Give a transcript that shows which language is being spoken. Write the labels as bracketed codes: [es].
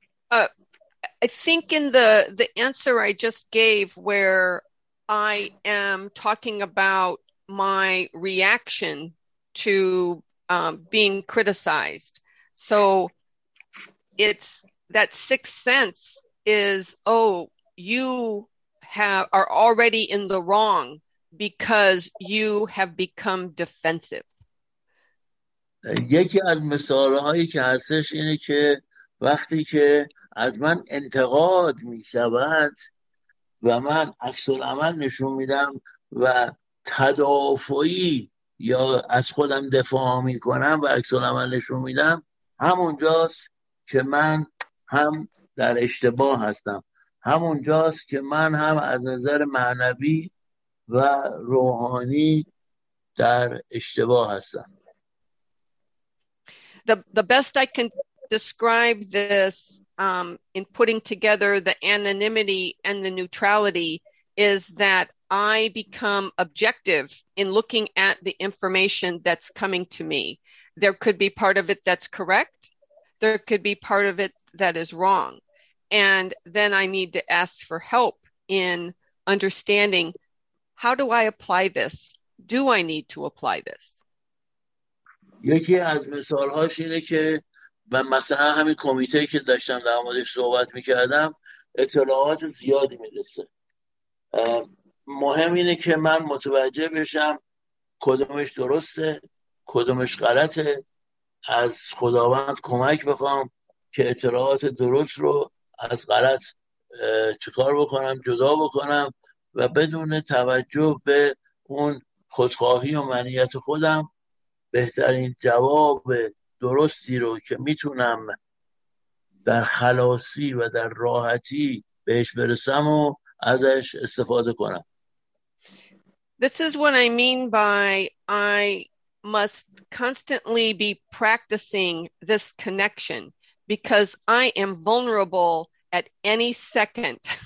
[en] I think in the answer I just gave where I am talking about my reaction to being criticized. So it's that sixth sense is, oh, you have are already in the wrong because you have become defensive. [fa] یکی از مثالهایی که هستش اینه که وقتی که از من انتقاد می شود و من عکس العمل نشون میدم و تدافعی یا از خودم دفاع می کنم و عکس العمل نشون میدم، همونجاست که من هم در اشتباه هستم، همونجاست که من هم از نظر معنوی و روحانی در اشتباه هستم. [en] The best I can describe this in putting together the anonymity and the neutrality is that I become objective in looking at the information that's coming to me. There could be part of it that's correct. There could be part of it that is wrong. And then I need to ask for help in understanding, how do I apply this? Do I need to apply this? [fa] یکی از مثال‌هاش اینه که من مثلا همین کمیته که داشتم در موردش صحبت می‌کردم اطلاعات زیادی می‌رسه. مهم اینه که من متوجه بشم کدومش درسته، کدومش غلطه، از خداوند کمک بخوام که اطلاعات درست رو از غلط چیکار بکنم، جدا بکنم و بدون توجه به اون خودخواهی و منیت خودم بهترین جواب درستی رو که میتونم در خلاصی و در راحتی بهش برسم و ازش استفاده کنم. [en] This is what I mean by I must constantly be practicing this connection because I am vulnerable at any second.